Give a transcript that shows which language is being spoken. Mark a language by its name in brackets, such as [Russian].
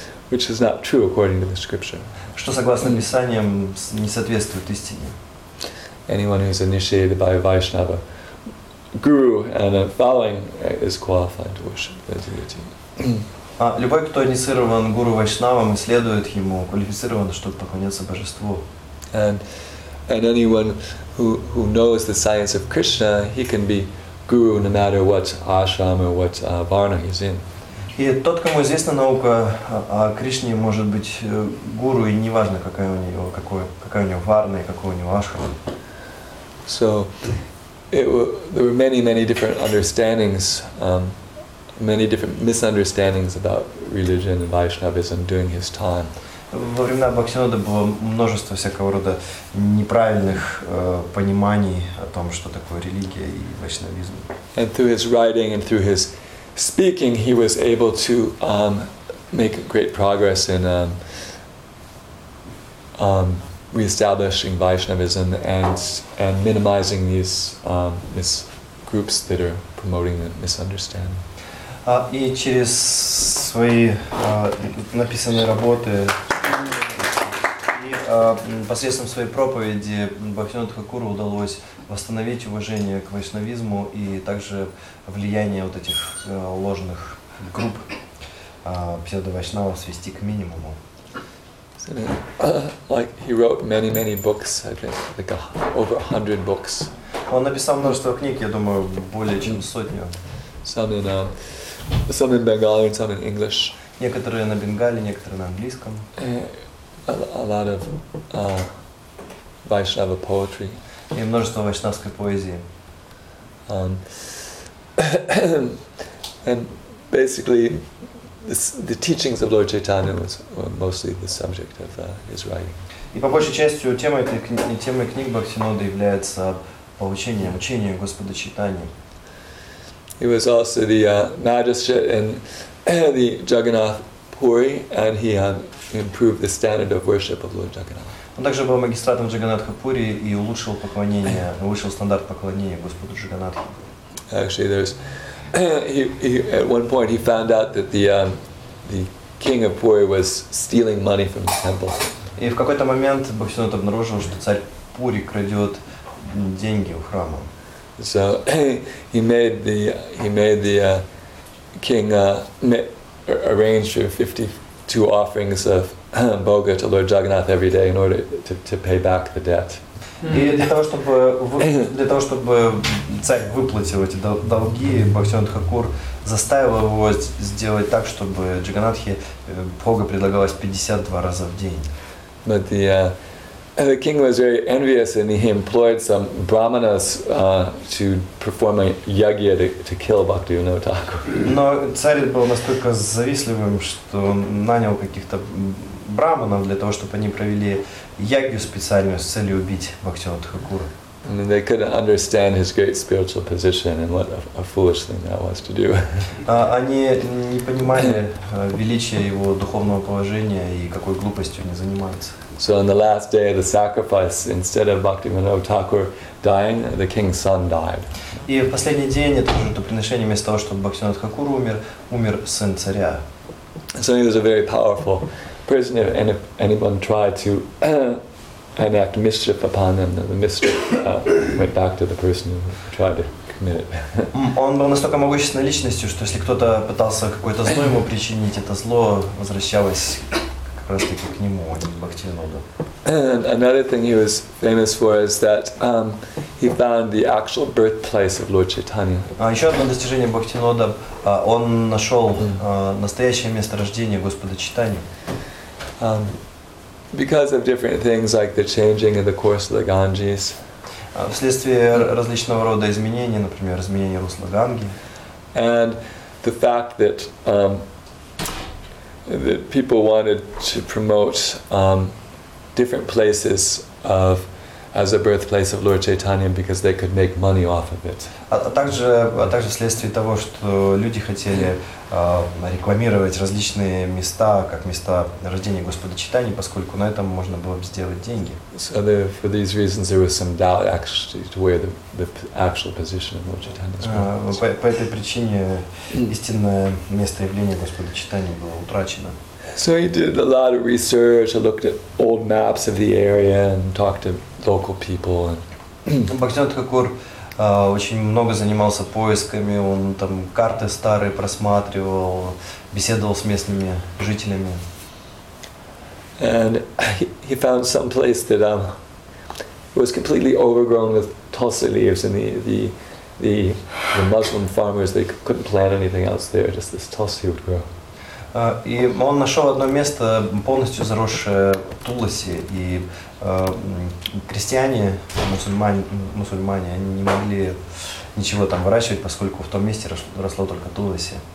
[English] Which is not true according to the scripture. [Russian] Что согласно писаниям не соответствует истине. [English] Anyone who is initiated by a Vaishnava guru and a following is qualified to worship the deity. [Russian] Любой, кто инициирован гуру вайшнавам и следует ему, квалифицирован, чтобы поклоняться божеству. [English] And anyone who knows the science of Krishna, he can be guru no matter what ashram or what varna he's in. [Russian] И тот, кому известна наука о Кришне, может быть гуру, и неважно, какая у него варна и какой у него ашрам. [English] So there were many, many different understandings, many different misunderstandings about religion and Vaishnavism during his time. [Russian] Во времена Бхактисиддханты было множество всякого рода неправильных пониманий о том, что такое религия и вайшнавизм. [English] And through his writing and through his speaking, he was able to make great progress in reestablishing Vaishnavism and minimizing these groups that are promoting the misunderstanding. [Russian] И через свои написанные работы посредством своей проповеди Бхактивинода Тхакура удалось восстановить уважение к вайшнавизму и также влияние вот этих ложных групп псевдо-вайшнавов свести к минимуму. [English] Like he wrote many, many books, I think, like over 100 books. [Russian] Он написал множество книг, я думаю, более чем сотню. [English] Some in Bengali and some in English. [Russian] Некоторые на бенгали, некоторые на английском. [English] A lot of Vaishnava poetry. [Russian] И множество вайшнавской поэзии. [English] And basically, the teachings of Lord Chaitanya were mostly the subject of his writing. [Russian] И по большей части темой этой темы книг Бхактисиддханты является поучение, учение Господа Чайтаньи. [English] He was also the magistrate in the Jagannath Puri, and he had improved the standard of worship of Lord Jagannath. [Russian] Он также был магистратом Джаганнатха Пури и улучшил поклонение, улучшил стандарт поклонения Господу Джаганнатху. [English] Actually, he at one point he found out that the king of Puri was stealing money from the temple. [Russian] И в какой-то момент Бхактисиддханта обнаружил, что царь Пури крадет деньги у храма. [English] So he arranged for 52 offerings of boga to Lord Jagannath every day in order to pay back the debt. [Russian] И для того чтобы царь выплатил эти долги, Бхактисиддханта Тхакур заставил его сделать так, чтобы Джаганнатхе бога предлагалось 52 раза в день. [English] But the king was very envious, and he employed some brahmanas to perform a yagya to kill Bhaktivinoda Thakur. [Russian] Но царь был настолько завистливым, что нанял каких-то брахманов для того, чтобы они провели ягью специальную с целью убить Бхактивинода Тхакура. [English] And they couldn't understand his great spiritual position and what a foolish thing that was to do. [Russian] Они не понимали величия его духовного положения и какой глупостью они занимаются. [English] So on the last day of the sacrifice, instead of Bhaktivinoda Thakur dying, the king's son died. [Russian] И в последний день этого жертвоприношения, вместо того, чтобы Бхактивинода Тхакура умер, умер сын царя. [English] So he was a very powerful person, and if anyone tried to enact mischief upon them, the mischief went back to the person who tried to commit it. [Russian] Он был настолько могущественной личностью, что если кто-то пытался какое-то зло ему причинить, это зло возвращалось как раз таки к нему, а не к Бхактивинода. [English] And another thing he was famous for is that he found the actual birthplace of Lord Chaitanya. [Russian] Еще одно достижение Бхактивинода, он нашел настоящее место рождения Господа Чайтаньи. [English] Because of different things like the changing of the course of the Ganges. [Russian] Вследствие различного рода изменений, например, изменения русла Ганги. [English] And the fact that that people wanted to promote different places of as a birthplace of Lord Chaitanya because they could make money off of it. [Russian] А также вследствие того, что люди хотели рекламировать различные места как места рождения Господа Чайтаньи, поскольку на этом можно было бы сделать деньги. [English] So there, for these reasons there was some doubt actually to where the actual position of Lord Chaitanya was. [Russian] По этой причине истинное место явления Господа Чайтаньи было утрачено. [English] So he did a lot of research, I looked at old maps of the area and talked to local people. [Russian] Бхактивинода Тхакур очень много занимался поисками, он там карты старые просматривал, беседовал с местными жителями. [English] And he found some place that was completely overgrown with tulsi leaves, and the Muslim farmers, they couldn't plant anything else there, just this tulsi would grow. [Russian] И он нашел одно место, полностью заросшее Туласи, и крестьяне, мусульмане, они не могли ничего там выращивать, поскольку в том месте росло только Туласи.